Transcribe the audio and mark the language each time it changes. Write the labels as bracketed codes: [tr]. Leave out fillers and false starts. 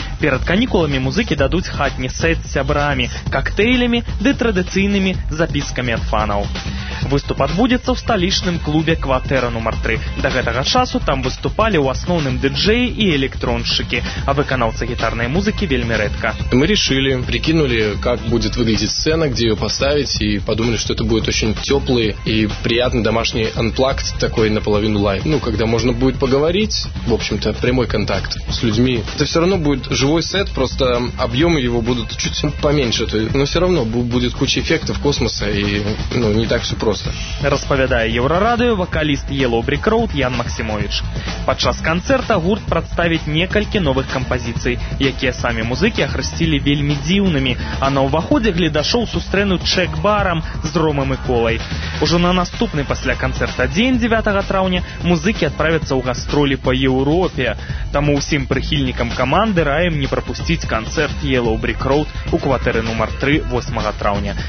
[be] Перад канікуламі музыкі дадуць хатні сэт з сябрамі, кактэйлямі ды традыцыйнымі запіскамі ад фанаў. Выступ адбудзецца ў сталічным клубе «Кватэра нумар 3». Да гэтага часу там выступалі ў асноўным дыджэі і электроншчыкі, а выканаўцы гітарнай музыкі вельмі рэдка. [ru] Мы решили, прикинули, как будет выглядеть сцена, где ее поставить, и подумали, что это будет очень теплый и приятный домашний анплакт такой наполовину лайв. Ну, когда можно будет поговорить, в общем-то, прямой контакт с людьми. Это все равно будет живой сет, просто объемы его будут чуть поменьше. Но все равно будет куча эффектов космоса, и ну, не так все просто. [be] Распавядае Еўрарадыё вакаліст Yellow Brick Road Ян Максімовіч. Падчас канцэрта гурт прадставіць некалькі новых кампазіцый, якія самі музыкі ахрысцілі вельмі дзіўнымі, а на ўваходзе гледашоў сустрэнуць чэк-барам з Ромам і Колай. Ужо на наступны пасля канцэрта дзень 9 траўня музыкі адправяцца ў гастролі па Еўропе, таму ўсім прыхільнікам каманды раім не прапусціць канцэрт Yellow Brick Road у кватэры нумар 3 8 траўня.